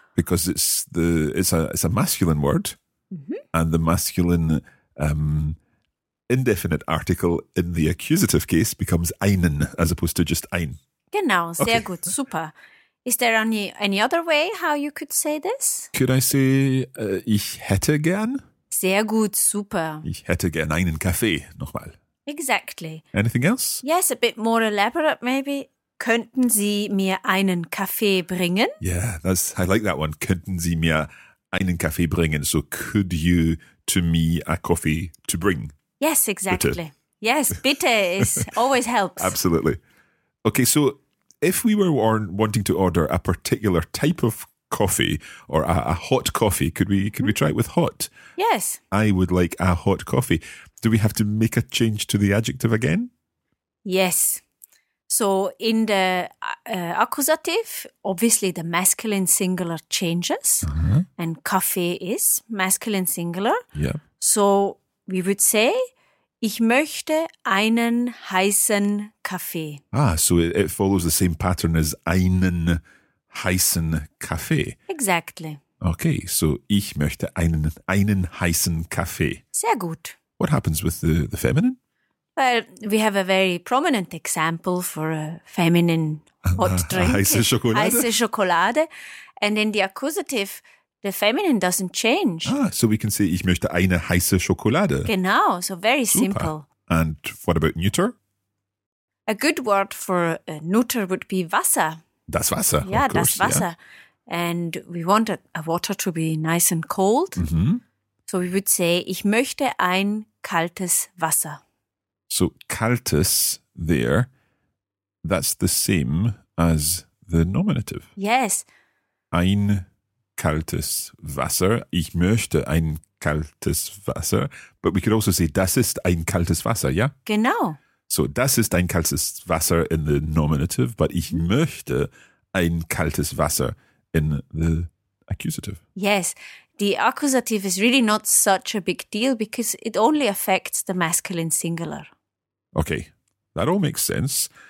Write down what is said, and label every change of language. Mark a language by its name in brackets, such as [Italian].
[English] Because it's a masculine word, and the masculine indefinite article in the accusative case becomes einen as opposed to just ein. [German] Genau, sehr okay. Gut, super. [English] Is there any other way how you could say this? Could I say [German] ich hätte gern? Sehr gut, super. Ich hätte gern einen Kaffee nochmal. [English] Exactly. Anything else? Yes, a bit more elaborate maybe. [German] Könnten Sie mir einen Kaffee bringen? [English] Yeah, that's, I like that one. [German] Könnten Sie mir einen Kaffee bringen? [English] So could you to me a coffee to bring? Yes, exactly. Bitte. Yes, bitte is always helps. Absolutely. Okay, so if we were wanting to order a particular type of coffee or a hot coffee, could we try it with hot? Yes. I would like a hot coffee. Do we have to make a change to the adjective again? Yes. So in the accusative, obviously the masculine singular changes, mm-hmm. and coffee is masculine singular. Yeah. So we would say, [German] ich möchte einen heißen Kaffee. [English] Ah, so it follows the same pattern as [German] einen heißen Kaffee. [English] Exactly. Okay, so [German] ich möchte einen heißen Kaffee. Sehr gut. [English] What happens with the feminine? Well, we have a very prominent example for a feminine hot drink. [German] Heiße Schokolade. [English] And in the accusative, the feminine doesn't change. Ah, so we can say, [German] ich möchte eine heiße Schokolade. [English] Genau, so very [German] Super. [English] Simple. And what about neuter? A good word for neuter would be Wasser. [German] Das Wasser, [English] yeah, of course. [German] Das Wasser. [English] Yeah. And we want a water to be nice and cold. Mm-hmm. So we would say, [German] ich möchte ein kaltes Wasser. [English] So, kaltes there, that's the same as the nominative. Yes. [German] Ein kaltes Wasser. Ich möchte ein kaltes Wasser. [English] But we could also say, [German] das ist ein kaltes Wasser, yeah? Genau. So, das ist ein kaltes Wasser [English] in the nominative, but [German] ich möchte ein kaltes Wasser [English] in the accusative. Yes. The accusative is really not such a big deal because it only affects the masculine singular. Okay, that all makes sense.